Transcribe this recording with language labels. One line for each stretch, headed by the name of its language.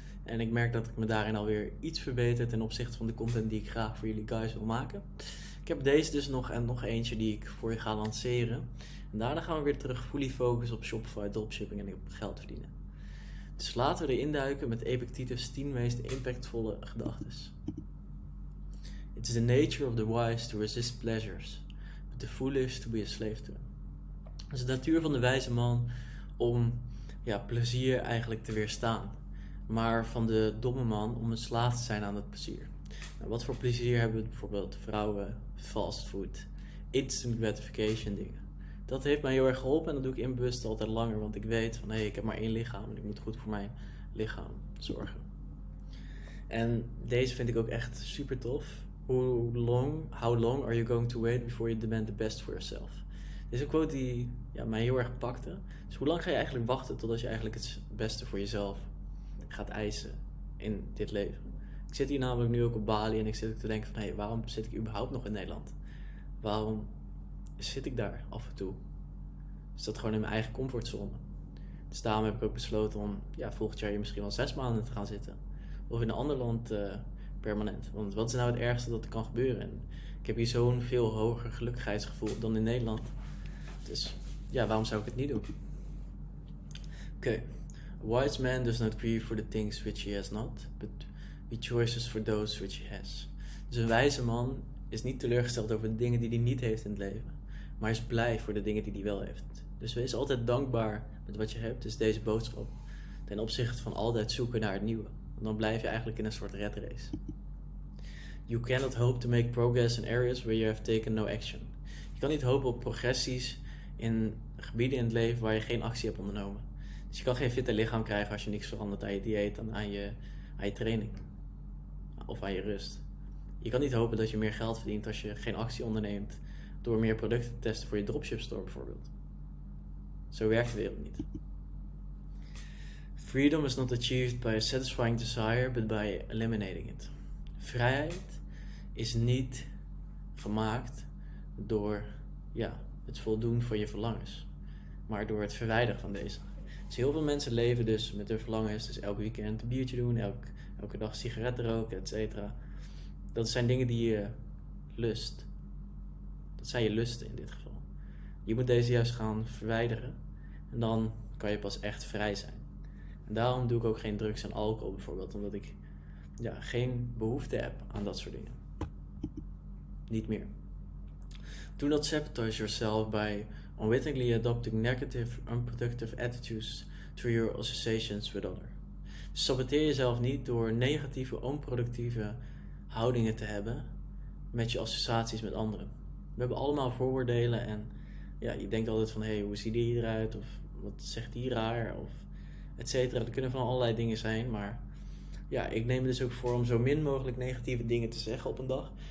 Dutch: En ik merk dat ik me daarin alweer iets verbeter ten opzichte van de content die ik graag voor jullie guys wil maken. Ik heb deze dus nog en nog eentje die ik voor je ga lanceren. En daarna gaan we weer terug fully focus op Shopify, dropshipping en op geld verdienen. Dus laten we erin duiken met Epictetus' 10 meest impactvolle gedachtes.
English: It is the nature of the wise to resist pleasures, but the foolish to be a slave to them.
Dutch: Het is de natuur van de wijze man om ja, plezier eigenlijk te weerstaan, maar van de domme man om een slaaf te zijn aan het plezier. Nou, wat voor plezier hebben we bijvoorbeeld vrouwen, fastfood, instant gratification dingen. Dat heeft mij heel erg geholpen en dat doe ik in bewust altijd langer, want ik weet van, hey, ik heb maar één lichaam en ik moet goed voor mijn lichaam zorgen. En deze vind ik ook echt super tof.
English: How long are you going to wait before you demand the best for yourself?
Dutch: Dit is een quote die ja, mij heel erg pakte. Dus hoe lang ga je eigenlijk wachten totdat je eigenlijk het beste voor jezelf gaat eisen in dit leven? Ik zit hier namelijk nu ook op Bali en ik zit ook te denken van, hey, waarom zit ik überhaupt nog in Nederland? Waarom zit ik daar af en toe? Is dat gewoon in mijn eigen comfortzone? Dus daarom heb ik ook besloten om ja, volgend jaar hier misschien wel 6 maanden te gaan zitten. Of in een ander land permanent. Want wat is nou het ergste dat er kan gebeuren? En ik heb hier zo'n veel hoger gelukkigheidsgevoel dan in Nederland. Dus ja, waarom zou ik het niet doen? Oké.
English: A wise man does not grieve for the things which he has not, but rejoices for those which he has.
Dutch: Dus een wijze man is niet teleurgesteld over de dingen die hij niet heeft in het leven, maar is blij voor de dingen die hij wel heeft. Dus wees altijd dankbaar met wat je hebt, dus deze boodschap, ten opzichte van altijd zoeken naar het nieuwe. Want dan blijf je eigenlijk in een soort rat race.
English: You cannot hope to make progress in areas where you have taken no action.
Dutch: Je kan niet hopen op progressies in gebieden in het leven waar je geen actie hebt ondernomen. Dus je kan geen fitte lichaam krijgen als je niks verandert aan je dieet dan aan je training. Of aan je rust. Je kan niet hopen dat je meer geld verdient als je geen actie onderneemt door meer producten te testen voor je dropship store bijvoorbeeld. Zo werkt de wereld niet.
English: Freedom is not achieved by a satisfying desire, but by eliminating it.
Dutch: Vrijheid is niet gemaakt door ja, het voldoen van je verlangens, maar door het verwijderen van deze. Dus heel veel mensen leven dus met hun verlangens, dus elk weekend een biertje doen, elke dag sigaretten roken, etc. Dat zijn dingen die je lust. Dat zijn je lusten in dit geval. Je moet deze juist gaan verwijderen. En dan kan je pas echt vrij zijn. En daarom doe ik ook geen drugs en alcohol bijvoorbeeld. Omdat ik ja, geen behoefte heb aan dat soort dingen. Niet meer.
English: Do not sabotage yourself by unwittingly adopting negative, unproductive attitudes to your associations with others.
Dutch: Saboteer jezelf niet door negatieve, onproductieve houdingen te hebben met je associaties met anderen. We hebben allemaal vooroordelen en ja, je denkt altijd van, hey, hoe ziet die eruit of wat zegt die raar of et cetera. Er kunnen van allerlei dingen zijn, maar ja, ik neem het dus ook voor om zo min mogelijk negatieve dingen te zeggen op een dag.